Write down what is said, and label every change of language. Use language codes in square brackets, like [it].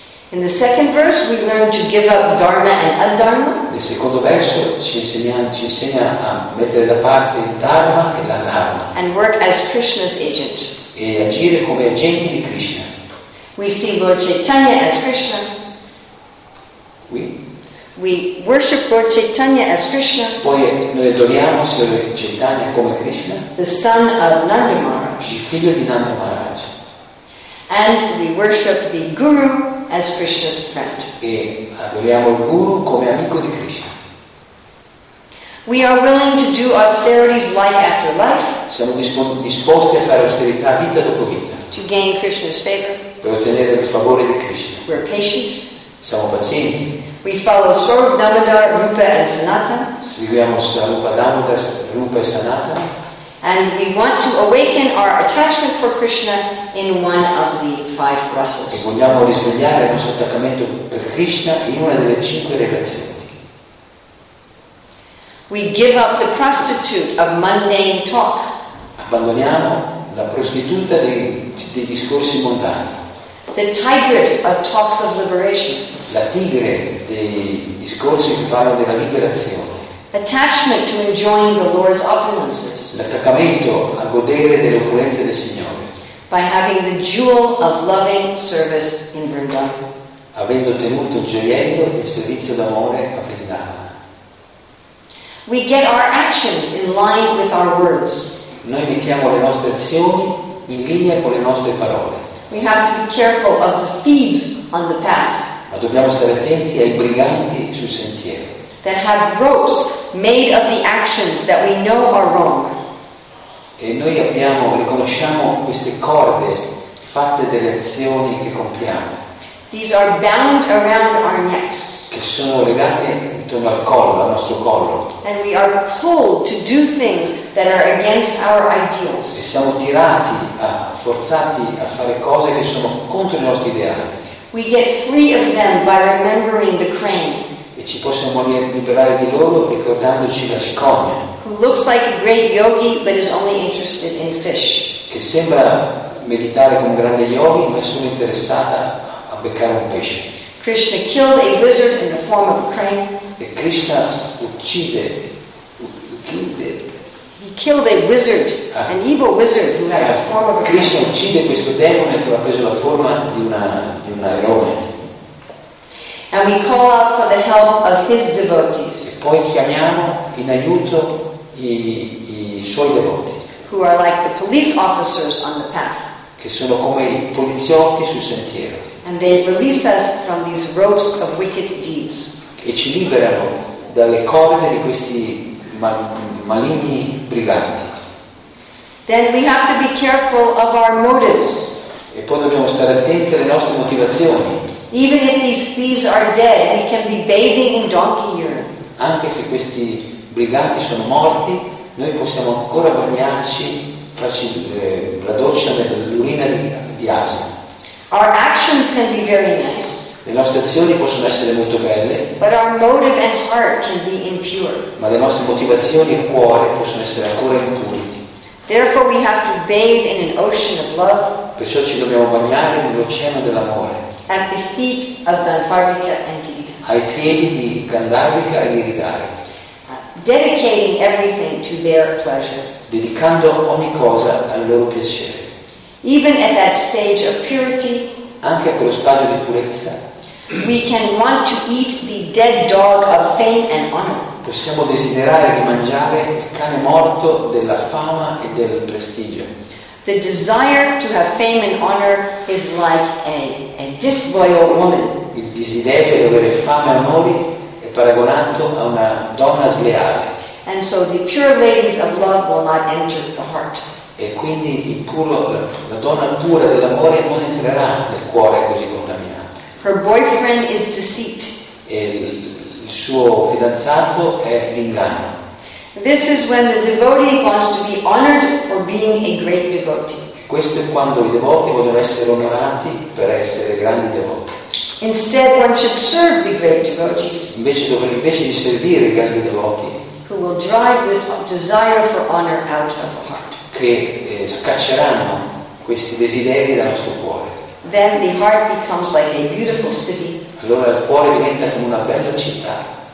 [en] In the second verse, we learn to give up dharma and adharma. [it] Nel secondo verso ci insegna a mettere da parte il dharma e l'adharma. [en] And work as Krishna's agent. [it] E agire come agenti di Krishna. [en] We see Lord Chaitanya as Krishna. We worship Lord Chaitanya as Krishna. [it] Poi noi adoriamo Signore Chaitanya come Krishna. [en] The son of Nanda Maharaj. [it] Il figlio di Nanda Maharaj. [en] And we worship the Guru as Krishna's friend. [it] E adoriamo il Guru come amico di Krishna. [en] We are willing to do austerities life after life. [it] Siamo disposti a fare austerità vita dopo vita. [en] To gain Krishna's favor. [it] Per ottenere il favore di Krishna. [en] We are patient. [it] Siamo pazienti. [en] We follow Swarupa Damodar, Rupa and Sanatana. [it] Seguiamo Swarupa Damodar, Rupa e Sanatana. [en] And we want to awaken our attachment for Krishna in one of the five rasas. [it] E vogliamo risvegliare il nostro attaccamento per Krishna in una delle cinque relazioni. [en] We give up the prostitute of mundane talk. [it] Abbandoniamo la prostituta dei discorsi mondani. [en] The tigress of talks of liberation. [it] La tigre dei discorsi che parlano della liberazione. [en] Attachment to enjoying the Lord's opulences. [it] L'attaccamento a godere delle opulenze del Signore. [en] By having the jewel of loving service in Vrindavan. [it] Avendo ottenuto il gioiello del servizio d'amore a Vrindavan. [en] We get our actions in line with our words. [it] Noi mettiamo le nostre azioni in linea con le nostre parole. [en] We have to be careful of the thieves on the path. [it] Ma dobbiamo stare attenti ai briganti sul sentiero. [en] That have ropes made of the actions that we know are wrong. [it] E noi abbiamo, riconosciamo queste corde fatte delle azioni che compiamo. [en] These are bound around our necks. [it] Che sono legate intorno al collo, al nostro collo. [en] And we are pulled to do things that are against our ideals. [it] E siamo tirati, forzati a fare cose che sono contro i nostri ideali. [en] We get free of them by remembering the crane. [it] E ci possiamo liberare di loro ricordandoci la cicogna. [en] Who looks like a great yogi but is only interested in fish. [it] Che sembra meditare come un grande yogi ma è solo interessata a beccare un pesce. [en] Krishna killed a wizard in the form of a crane. [it] E Krishna uccide. [en] He killed a wizard, an evil wizard who had the form of a [it] Krishna [en] crane. [it] Krishna uccide questo demone che aveva preso la forma di una eroe. [en] And we call out for the help of his devotees. [it] E poi chiamiamo in aiuto i suoi devoti. [en] Who are like the police officers on the path. [it] Che sono come i poliziotti sul sentiero. [en] And they release us from these ropes of wicked deeds. [it] E ci liberano dalle corde di questi maligni briganti. [en] Then we have to be careful of our motives. [it] E poi dobbiamo stare attenti alle nostre motivazioni. [en] Even if these thieves are dead, we can be bathing in donkey urine. [it] Anche se questi briganti sono morti, noi possiamo ancora bagnarci, farci la doccia nell'urina di asino. [en] Our actions can be very nice. [it] Le nostre azioni possono essere molto belle. [en] But our motive and heart can be impure. [it] Ma le nostre motivazioni e cuore possono essere ancora impuri. [en] Therefore, we have to bathe in an ocean of love. [it] Perciò ci dobbiamo bagnare nell'oceano dell'amore. [en] At the feet of Gandharvika and Giridhara. [it] Ai piedi di Gandharvika e Giridhara. [en] dedicating everything to their pleasure. [it] Dedicando ogni cosa al loro piacere. [en] Even at that stage of purity, [it] anche a quello stadio di purezza, [en] we can want to eat the dead dog of fame and honor. [it] Possiamo desiderare di mangiare il cane morto della fama e del prestigio. [en] The desire to have fame and honor is like a disloyal woman. [it] Il desiderio di avere fama e onori è paragonato a una donna sleale. [en] And so the pure ladies of love will not enter the heart. [it] E quindi il puro, la donna pura dell'amore non entrerà nel cuore così contaminato. [en] Her boyfriend is deceit. [it] E il suo fidanzato è l'inganno. [en] This is when the devotee wants to be honored for being a great devotee. [it] Questo è quando i devoti vogliono essere onorati per essere grandi devoti. [en] Instead, one should serve the great devotees. [it] Invece di servire i grandi devoti. [en] Who will drive this desire for honor out of the heart? [it] Che scacceranno questi desideri dal nostro cuore. [en] Then the heart becomes like a beautiful city. [it] Allora il cuore diventa come una bella città.